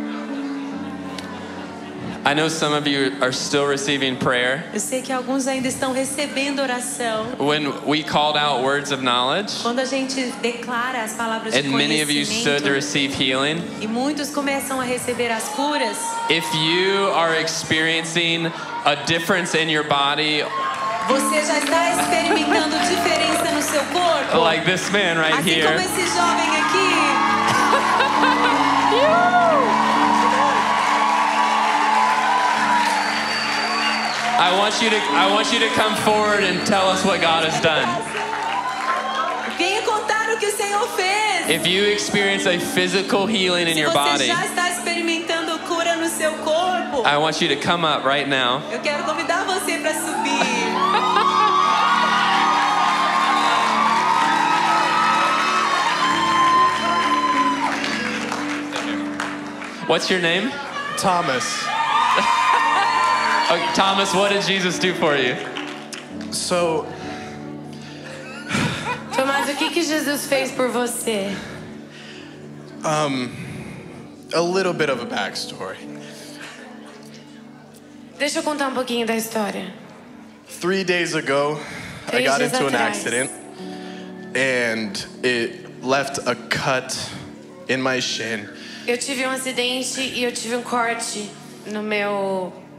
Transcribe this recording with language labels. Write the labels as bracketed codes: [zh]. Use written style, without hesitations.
[en] I know some of you are still receiving prayer. [pt] Eu sei que alguns ainda estão recebendo oração. [en] When we called out words of knowledge, [pt] quando a gente declara as palavras de conhecimento, [en] and many of you stood to receive healing, [pt] e muitos começam a receber as curas. [en] If you are experiencing a difference in your body, [pt] você já está experimentando diferença no seu corpo, [en] like this man right [pt] assim [en] here, [pt] como esse jovem aqui. [en] I want you to come forward and tell us what God has done. [pt] Venha contar o que o Senhor fez. [en] If you experience a physical healing in your body, [pt] se você já está experimentando cura no seu corpo, [en] I want you to come up right now. [pt] Eu quero convidar você para subir. [en] What's your name? Thomas. Okay, Thomas, what did Jesus do for you? So, [pt] Thomas, o que Jesus fez por você? [en] A little bit of a backstory. [pt] Deixa eu contar um pouquinho da história. [en] 3 days ago, [pt] Três [en] I got into [pt] atrás. [en] An accident, and it left a cut in my shin. [pt] Eu tive um acidente e eu tive um corte no meu.